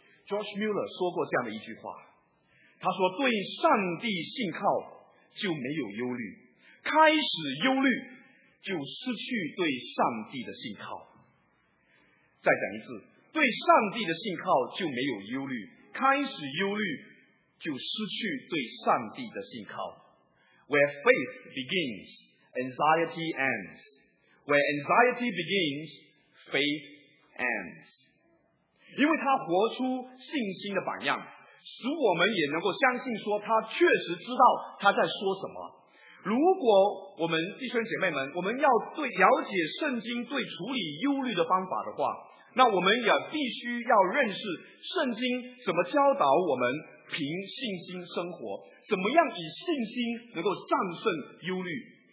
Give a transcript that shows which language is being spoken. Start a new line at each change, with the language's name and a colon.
Chinese: George Mueller 说过这样的一句话，他说，对上帝信靠就没有忧虑，开始忧虑就失去对上帝的信靠。再讲一次，对上帝的信靠就没有忧虑，开始忧虑就失去对上帝的信靠。
English: Where faith begins, anxiety ends. Where anxiety begins, faith ends.
Chinese: 因为他活出信心的榜样，使我们也能够相信说他确实知道他在说什么。如果我们弟兄姐妹们，我们要对了解圣经对处理忧虑的方法的话，那我们也必须要认识圣经怎么教导我们凭信心生活，怎么样以信心能够战胜忧虑。